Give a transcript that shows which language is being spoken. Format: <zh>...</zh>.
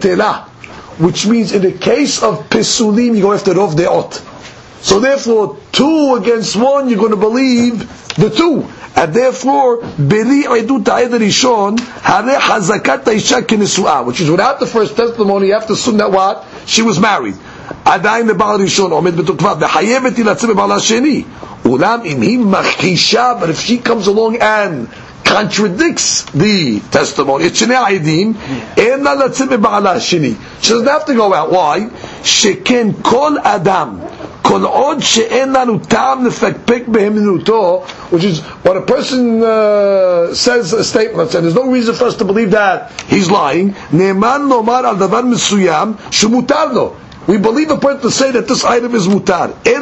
<en>Which means in the case of Pisulim, you go after Rov Deot. So therefore, two against one, you're going to believe the two. And therefore, which is without the first testimony, you have to assume that what? She was married.</en> <he>עדיין לבעל ראשון עומד בתוקפה וחייבת היא לצאת בבעל השני אולם אם היא מכחישה</he> <en>but if she comes along and contradicts the testimony</en> <he>את שני העדים אין לה לצאת בבעל השני</he> <en>she doesn't have to go out, why?</en> <he>שכן כל אדם כל עוד שאין לנו טעם לפקפק בהמינותו</he> <en>which is when a person says a statement and there's no reason for us to believe that he's lying</en> <he>נאמן לומר על דבר מסוים שמותר לו.</he> <en>We believe a person to say that this item is mutar.</en>